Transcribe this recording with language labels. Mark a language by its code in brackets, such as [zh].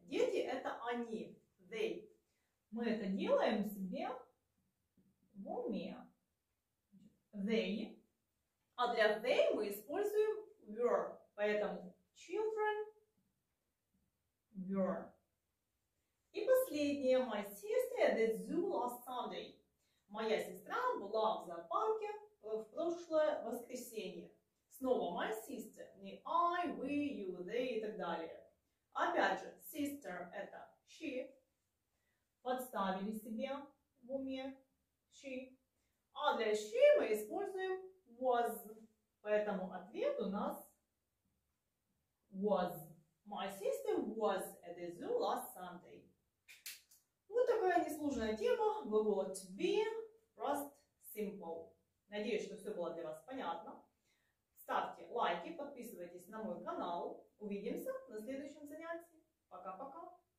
[ru] Дети это они. [en] They. [ru] Мы это делаем себе в уме. They. А для they мы используем were. Поэтому [en] children were. [ru] И последнее. последняя моя сестра, [en] the zoo last Sunday. [ru] Моя сестра была в зоопарке в прошлое воскресенье. Снова [en] my sister, [ru] не [en] I, we, you, they [ru] и так далее. Опять же, sister это [en] she. [ru] Подставили себе в уме she. А для she мы используем [en] was. [ru] Поэтому ответ у нас was. [en] My sister was at the zoo last Sunday. [ru] Вот такая несложная тема. Глагол [en] to be, just simple. [ru] Надеюсь, что все было для вас понятно. Ставьте лайки, подписывайтесь на мой канал. Увидимся на следующем занятии. Пока-пока.